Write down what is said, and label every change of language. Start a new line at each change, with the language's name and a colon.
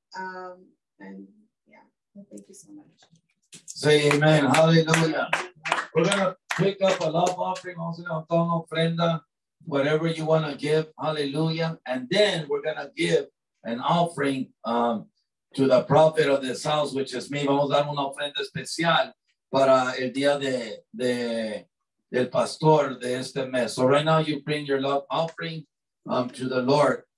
English: And yeah, well, thank you so much. Say amen. Hallelujah. We're going to pick up a love offering, also an ofrenda, whatever you want to give, hallelujah. And then we're going to give an offering to the prophet of this house, which is me.
Spanish: Vamos a dar una ofrenda especial para el día del pastor de este mes.
English: So right now you bring your love offering to the Lord.